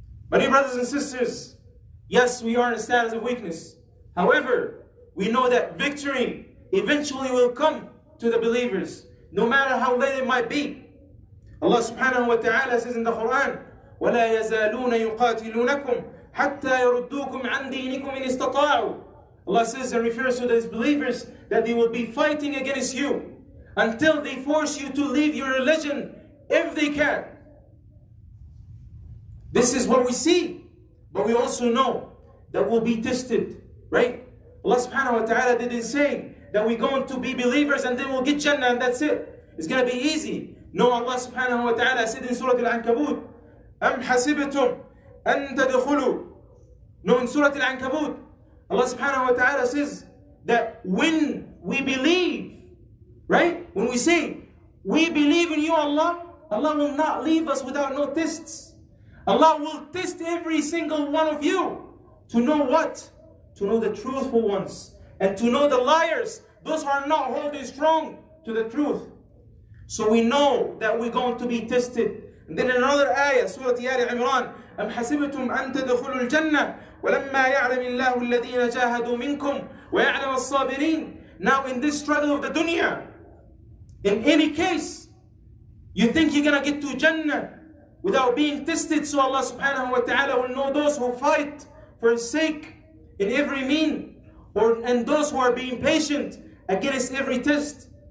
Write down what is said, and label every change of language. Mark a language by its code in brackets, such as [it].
[en] My dear brothers and sisters, yes, we are in a status of weakness. However, we know that victory eventually will come to the believers, no matter how late it might be. Allah subhanahu wa ta'ala says in the Quran, [ar] وَلَا يَزَالُونَ يُقَاتِلُونَكُمْ حَتَّى يَرُدُّوكُمْ عَنْ دِينِكُمْ إِنِ اسْتَطَاعُوا. [en] Allah says and refers to these believers that they will be fighting against you until they force you to leave your religion if they can. This is what we see, but we also know that we'll be tested, right? Allah subhanahu wa ta'ala didn't say that we're going to be believers and then we'll get Jannah and that's it. It's going to be easy. No, Allah subhanahu wa ta'ala said in Surah Al-Ankabut, [ar] أَمْ حَسِبْتُمْ أَن تَدْخُلُوا. [en] No, in Surah Al-Ankabut, Allah subhanahu wa ta'ala says that when we believe, right? When we say, we believe in you, Allah, Allah will not leave us without no tests. Allah will test every single one of you to know what? To know the truthful ones and to know the liars, those who are not holding strong to the truth. So we know that we're going to be tested. And then another ayah, Surah Ali Imran, [ar] أَمْ حَسِبْتُمْ أَن تَدْخُلُوا الْجَنَّةِ وَلَمَّا يَعْلَمِ اللَّهُ الَّذِينَ جَاهَدُوا مِنْكُمْ وَيَعْلَمَ الصَّابِرِينَ. [en] Now in this struggle of the dunya, in any case, you think you're going to get to Jannah without being tested, so Allah subhanahu wa ta'ala will know those who fight for his sake in every mean, or and those who are being patient against every test.